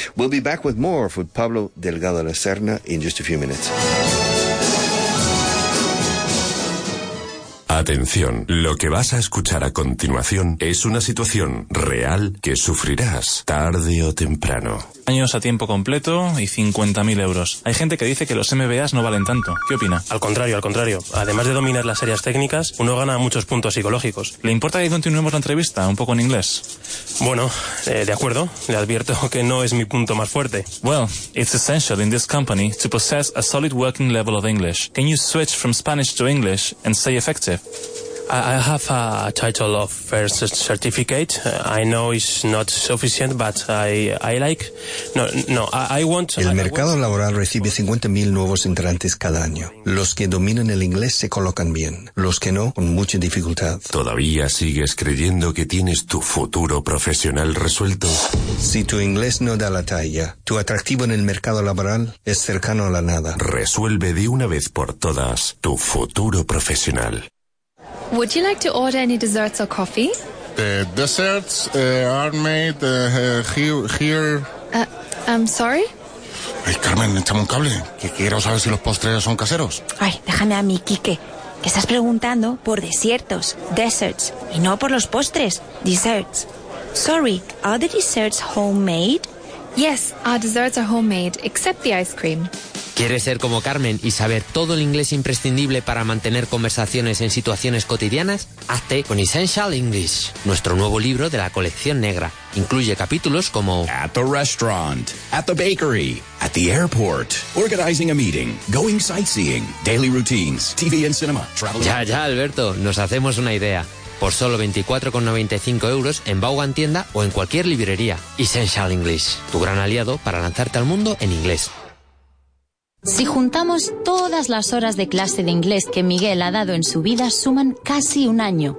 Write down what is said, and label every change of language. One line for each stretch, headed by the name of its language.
English: We'll be back with more with Pablo Delgado de la Serna in just a few minutes.
Spanish: Atención, lo que vas a escuchar a continuación es una situación real que sufrirás tarde o temprano. Años a tiempo completo y 50.000 euros. Hay gente que dice que los MBAs no valen tanto. ¿Qué opina? Al contrario. Además de dominar las áreas técnicas, uno gana muchos puntos psicológicos. ¿Le importa que continuemos la entrevista un poco en inglés? Bueno, de acuerdo. Le advierto que no es mi punto más fuerte.
English: Well, it's essential in this company to possess a solid working level of English. Can you switch from Spanish to English and stay effective? I have a title of first certificate. I know it's not sufficient, but I like... I want...
Spanish: El mercado laboral recibe 50.000 nuevos entrantes cada año. Los que dominan el inglés se colocan bien. Los que no, con mucha dificultad. ¿Todavía sigues creyendo que tienes tu futuro profesional resuelto? Si tu inglés no da la talla, tu atractivo en el mercado laboral es cercano a la nada. Resuelve de una vez por todas tu futuro profesional.
English: Would you like to order any desserts or coffee? The desserts are made here. I'm sorry?
Spanish: Ay, Carmen, échame un cable, que quiero saber si los postres son caseros. Ay, déjame a mí, Quique. Estás preguntando por desiertos,
English: desserts,
Spanish: y no por los postres, desserts.
English: Sorry, are the desserts homemade? Yes, our desserts are homemade, except the ice cream.
Spanish: ¿Quieres ser como Carmen y saber todo el inglés imprescindible para mantener conversaciones en situaciones cotidianas? Hazte con Essential English, nuestro nuevo libro de la colección negra. Incluye capítulos como...
English: At the restaurant, at the bakery, at the airport, organizing a meeting, going sightseeing, daily routines, TV and cinema, traveling...
Spanish: Ya, Alberto, nos hacemos una idea. Por solo 24,95 euros en Vaughan Tienda o en cualquier librería.
English: Essential English,
Spanish: tu gran aliado para lanzarte al mundo en inglés. Si juntamos todas las horas de clase de inglés que Miguel ha dado en su vida, suman casi un año.